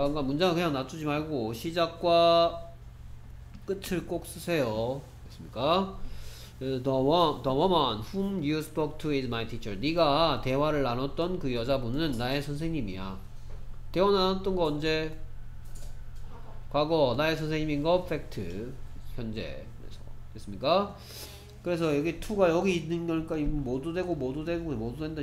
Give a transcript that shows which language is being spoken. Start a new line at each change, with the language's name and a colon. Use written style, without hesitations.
Korean: 그러니까 문장 그냥 놔두지 말고 시작과 끝을 꼭 쓰세요. 됐습니까?
English: The woman whom you spoke to is my teacher.
Korean: 네가 대화를 나눴던 그 여자분은 나의 선생님이야. 대화 나눴던 거 언제? 과거. 나의 선생님인 거 fact. 현재. 그래서 됐습니까? 그래서 여기 to가 여기 있는 거니까 뭐도 되고 뭐도 되고 뭐도 된다.